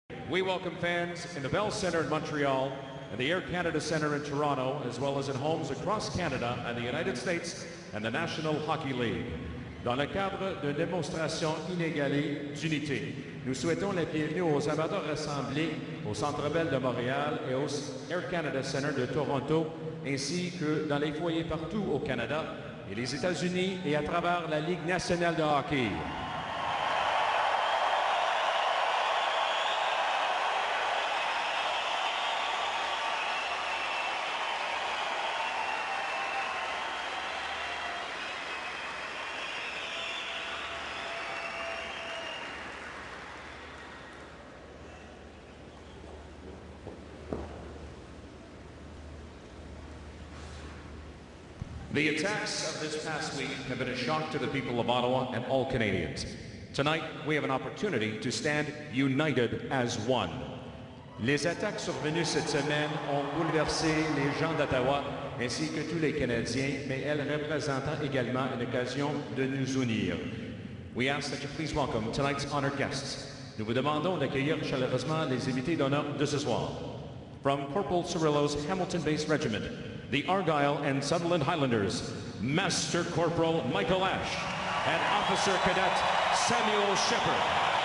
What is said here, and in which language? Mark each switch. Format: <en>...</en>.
<en>We welcome fans in the Bell Centre in Montreal and the Air Canada Centre in Toronto, as well as in homes across Canada and the United States and the National Hockey League.</en> <fr>Dans le cadre d'une démonstration inégalée d'unité, nous souhaitons la bienvenue aux amateurs rassemblés au Centre Bell de Montréal et au Air Canada Centre de Toronto, ainsi que dans les foyers partout au Canada et les États-Unis et à travers la Ligue nationale de hockey.</fr> <en>The attacks of this past week have been a shock to the people of Ottawa and all Canadians. Tonight, we have an opportunity to stand united as one.</en> <fr>Les attaques survenues cette semaine ont bouleversé les gens d'Ottawa ainsi que tous les Canadiens, mais elles représentent également une occasion de nous unir.</fr> <en>We ask that you please welcome tonight's honored guests.</en> <fr>Nous vous demandons d'accueillir chaleureusement les invités d'honneur de ce soir.</fr> <en>From Corporal Cirillo's Hamilton-based regiment, the Argyle and Sutherland Highlanders, Master Corporal Michael Ash and Officer Cadet Samuel Shepherd.</en>